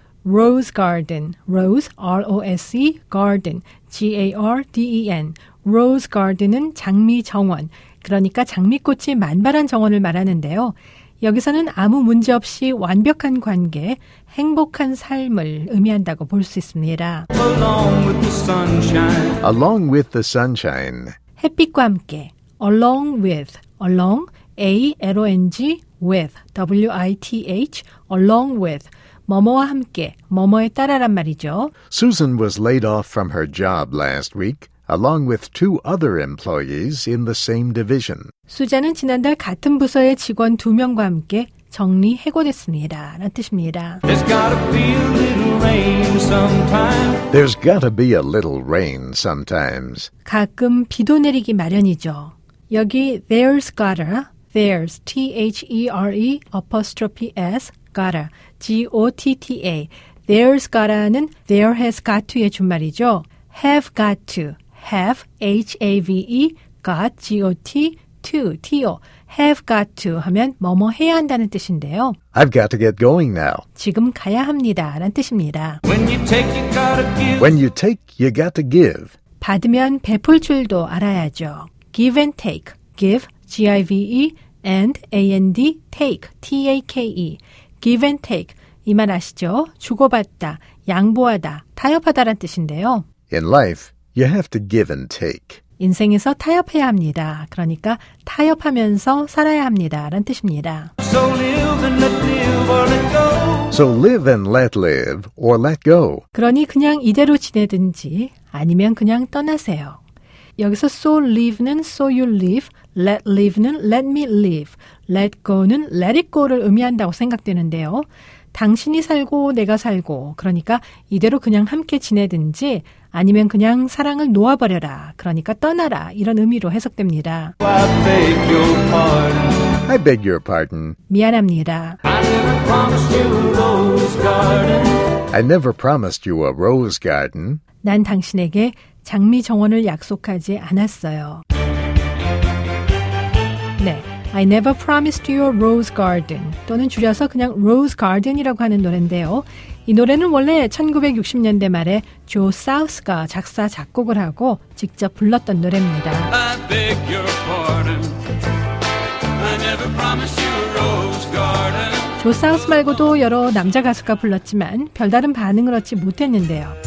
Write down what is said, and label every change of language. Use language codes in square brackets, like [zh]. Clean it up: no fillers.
[ko] Rose Garden, Rose, R-O-S-E, Garden, G-A-R-D-E-N, Rose Garden은 장미 정원, 그러니까 장미꽃이 만발한 정원을 말하는데요. 여기서는 아무 문제 없이 완벽한 관계, 행복한 삶을 의미한다고 볼 수 있습니다. [en] Along with the sunshine. Along with the sunshine. [ko] 햇빛과 함께, along with, along, A-L-O-N-G, with, W-I-T-H, along with, 뭐뭐와 함께, 뭐뭐에 따라란 말이죠. [en] Susan was laid off from her job last week, along with two other employees in the same division. [ko] 수잔은 지난달 같은 부서의 직원 두 명과 함께 정리 해고됐습니다. 라는 뜻입니다. [en] There's gotta be a little rain sometimes. There's gotta be a little rain sometimes. [ko] 가끔 비도 내리기 마련이죠. [en] 여기 there's gotta, there's, T-H-E-R-E, apostrophe S, gotta, G-O-T-T-A. [ko] There's gotta는 there has got to의 준말이죠. [en] Have got to. Have, H-A-V-E, got, G-O-T, to, T-O. [ko] Have got to 하면 뭐뭐 해야 한다는 뜻인데요. [en] I've got to get going now. [ko] 지금 가야 합니다. 라는 뜻입니다. [en] When you take, you gotta give. When you take, you got to give. [ko] 받으면 베풀 줄도 알아야죠. [en] Give and take. Give, G-I-V-E, and, A-N-D, take, T-A-K-E. [ko] Give and take, 이 말 아시죠? 주고받다, 양보하다, 타협하다란 뜻인데요. [en] In life, you have to give and take. [ko] 인생에서 타협해야 합니다. 그러니까 타협하면서 살아야 합니다란 뜻입니다. [en] So live and let live or let go. So live and let live or let go. [ko] 그러니 그냥 이대로 지내든지 아니면 그냥 떠나세요. 여기서 so live는 so you live, let live는 let me live, let go는 let it go를 의미한다고 생각되는데요. 당신이 살고 내가 살고, 그러니까 이대로 그냥 함께 지내든지 아니면 그냥 사랑을 놓아버려라, 그러니까 떠나라, 이런 의미로 해석됩니다. [en] I beg your pardon. I beg your pardon. [ko] 미안합니다. [en] I never promised you a rose garden. I never promised you a rose garden. [ko] 난 당신에게 장미 정원을 약속하지 않았어요. 네, I never promised you a rose garden 또는 줄여서 그냥 rose garden이라고 하는 노래인데요. 이 노래는 원래 1960년대 말에 조 사우스가 작사 작곡을 하고 직접 불렀던 노래입니다. [en] I beg your pardon. I never promised you a rose garden. [ko] 조 사우스 말고도 여러 남자 가수가 불렀지만 별다른 반응을 얻지 못했는데요.